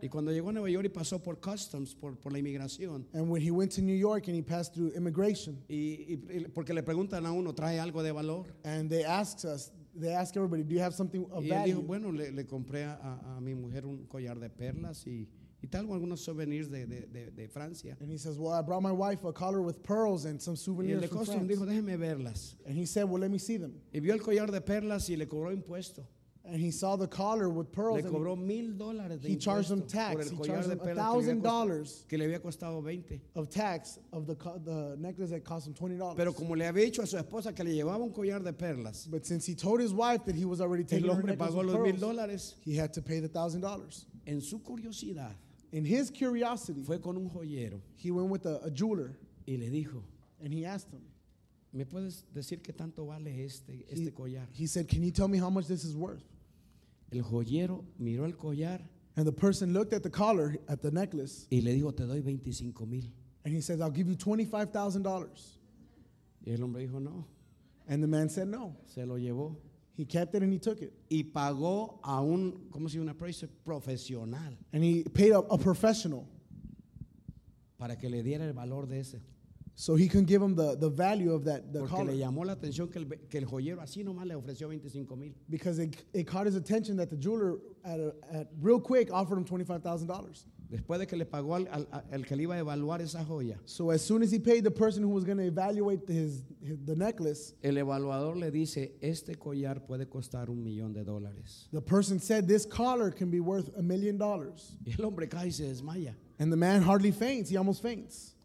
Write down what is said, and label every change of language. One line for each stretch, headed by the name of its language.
Spanish: Y cuando llegó a Nueva York y pasó por customs, por la inmigración.
English: And when he went to New York and he passed through immigration.
Spanish: Y porque le preguntan a uno, ¿trae algo de valor?
English: And they asked us, they ask everybody, do you have something of value?
Spanish: Y él dijo, bueno, le compré a mi mujer un collar de perlas y tal, algunos souvenirs de Francia.
English: And he says, well, I brought my wife a collar with pearls and some souvenirs from France.
Spanish: Y el de customs dijo, déjeme verlas.
English: And he said, well, let me see them.
Spanish: Y vio el collar de perlas y le cobró impuesto.
English: And he saw the collar with pearls.
Spanish: Le cobró
English: and
Spanish: $1,000 de
English: he charged him tax.
Spanish: Por el
English: he charged him $1,000
Spanish: que le había costado 20.
English: Of tax of the necklace that cost him $20.
Spanish: Pero como le había dicho a su esposa que le llevaba un collar de perlas.
English: But since he told his wife that he was already taking
Spanish: el hombre pagó los $1,000.
English: He had to pay the $1,000.
Spanish: En su curiosidad.
English: In his curiosity.
Spanish: Fue con un joyero.
English: He went with a jeweler.
Spanish: Y le dijo.
English: And he asked him.
Spanish: ¿Me puedes decir qué tanto vale este collar?
English: He said, can you tell me how much this is worth?
Spanish: El joyero miró el collar.
English: And the person looked at the collar, at the necklace.
Spanish: Y le dijo, te doy 25 mil.
English: And he said, I'll give you $25,000.
Spanish: Y el hombre dijo, no.
English: And the man said, no.
Spanish: Se lo llevó.
English: He kept it and he took it.
Spanish: Y pagó a un, ¿cómo se dice? Un appraiser profesional.
English: And he paid a professional.
Spanish: Para que le diera el valor de ese.
English: So he can give him the value of that the
Spanish: porque collar. Le llamó la atención que el joyero así nomás le ofreció 25 mil.
English: Because it caught his attention that the jeweler at real quick offered him $25,000.
Spanish: Después de que le pagó al que le iba a evaluar esa joya.
English: So as soon as he paid the person who was going to evaluate the necklace.
Spanish: El evaluador le dice, este collar puede costar $1,000,000.
English: The person said, this collar can be worth $1,000,000.
Spanish: Y el hombre cae y se desmaya.
English: And the man hardly faints, he almost faints.